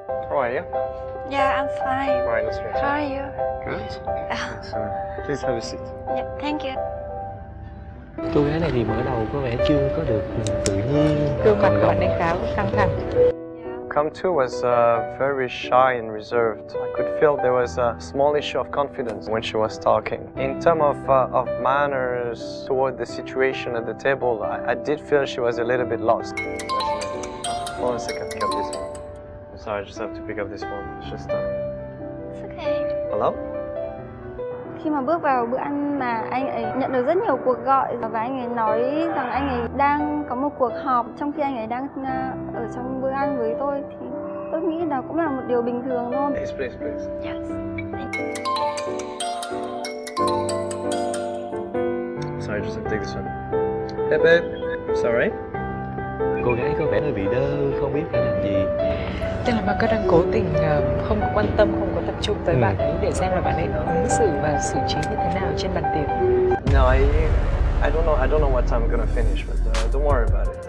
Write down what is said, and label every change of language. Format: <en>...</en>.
<en>How are you? Yeah, I'm fine. How are you? Good. Please have a seat. Yeah, thank you.</en> <vi>Cô gái này thì mở đầu có vẻ chưa có được tự nhiên. Gương mặt của bạn ấy khá căng thẳng.</vi> <en>Come to was very shy and reserved. I could feel there was a small issue of confidence when she was talking. In terms of manners toward the situation at the table, I did feel she was a little bit lost. Hold on a second, pick up this one. I'm sorry, I just have to pick up this one. It's just It's okay. Hello?</en> <vi>Khi mà bước vào bữa ăn mà anh ấy nhận được rất nhiều cuộc gọi và anh ấy nói rằng anh ấy đang có một cuộc họp trong khi anh ấy đang ở trong bữa ăn với tôi thì tôi nghĩ đó cũng là một điều bình thường thôi.</vi> <en>Please, please. Yes. Sorry, I just have to take this one. Hey babe, it's alright?</en> <vi>Cô gái có vẻ hơi bị đơ, không biết phải làm gì. Tức là bà cứ đang cố tình không có quan tâm, không có tập trung tới bạn ấy để xem là bạn ấy ứng xử và xử trí như thế nào trên bàn tiệc.</vi> <en>No, I don't know what time I'm gonna finish, but don't worry about it.</en>